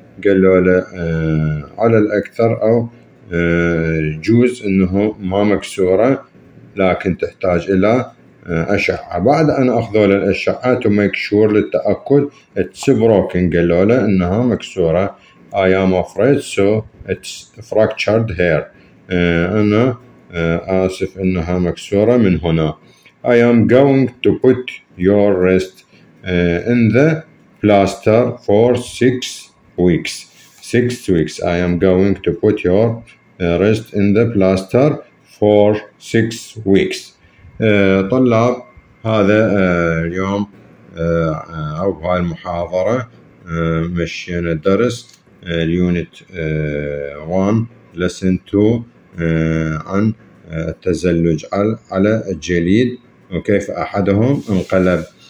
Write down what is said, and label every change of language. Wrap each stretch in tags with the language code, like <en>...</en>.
<ar>قالوا له على الأكثر أو جوز أنه ما مكسورة لكن تحتاج إلى أشعة. بعد أن أخذوا للأشعة</ar> <en>to make sure</en> <ar>للتأكد</ar> <en>it's broken.</en> <ar>قالوا له أنها مكسورة.</ar> <en>I am afraid so it's fractured hair.</en> <ar>أنا آسف أنها مكسورة من هنا.</ar> <en>I am going to put your wrist in the plaster for 6 weeks. 6 weeks. I am going to put your wrist in the plaster for 6 weeks.</en> <ar>طلاب هذا اليوم أو هاي المحاضرة مشينا الدرس اليونت 1 لسن 2 عن التزلج على الجليد وكيف أحدهم انقلب.</ar>